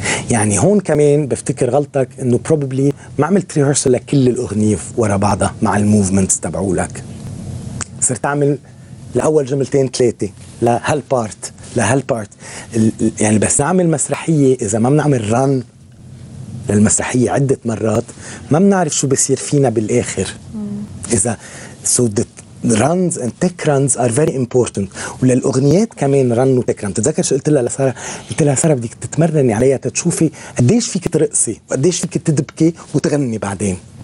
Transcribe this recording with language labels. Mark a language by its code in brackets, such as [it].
[ar] يعني هون كمان بفتكر غلطك انه probably ما عملت rehearsal لكل الاغنية ورا بعضها مع الموفمنتس تبعولك. صرت اعمل لاول جملتين ثلاثة لهالبارت يعني بس نعمل مسرحية اذا ما بنعمل run للمسرحية عدة مرات ما بنعرف شو بصير فينا بالاخر. اذا سودت [en] runs and tech runs are very important. [ar] وللأغنيات كمان run و tech run. تتذكر شو قلت لها لسارة؟ قلت لها سارة بديك تتمرني عليها تتشوفي قديش فيك ترقصي وقديش فيك تدبكي وتغني بعدين.